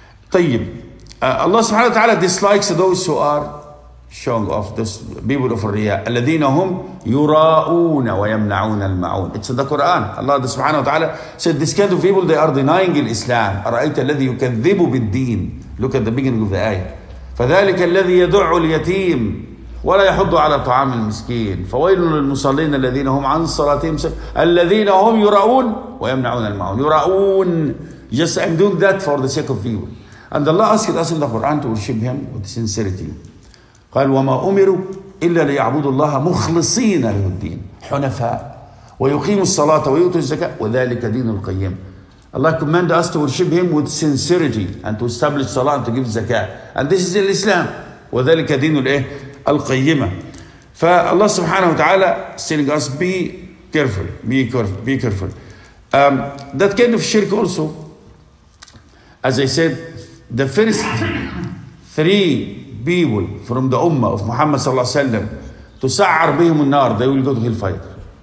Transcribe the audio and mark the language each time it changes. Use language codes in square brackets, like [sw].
[en] طيب, Allah subhanahu wa ta'ala dislikes those who are showing off, this people of riyah. [ar] الَّذِينَ هُمْ يُرَاءُونَ وَيَمْنَعُونَ الْمَعُونَ. [en] It's in the Quran. Allah subhanahu wa ta'ala said, this kind of people, they are denying Islam. [ar] أَرَأَيْتَ الَّذِي يُكَذِّبُ بِالدِّينِ. [en] Look at the beginning of the ayah. [ar] فذلك الذي يدع اليتيم ولا يحض على طعام المسكين فويل للمصلين الذين هم عن صلاتهم الذين هم يراؤون ويمنعون المعون. [en] يراؤون, just I'm doing that for the sake of you. And Allah asked us in the Quran to worship him with sincerity. [ar] قال وما أمروا إلا ليعبدوا الله مخلصين له الدين حنفاء ويقيموا الصلاة ويؤتوا الزكاة وذلك دين القيم. [en] Allah commanded us to worship him with sincerity and to establish salah and to give zakah. And this is in Islam. [ar] وَذَلِكَ دِينُ الْقَيِّمَةِ. فَاللَّهُ سُبْحَانَهُ وَتَعَالَى [en] telling us, be careful, be careful, be careful. That kind of shirk also, as I said, the first three people from the ummah of Muhammad [ar] صلى الله عليه وسلم [en] to [ar] سَعَّرْ بِهِمُ النَّارِ, [en] they will go to hellfire.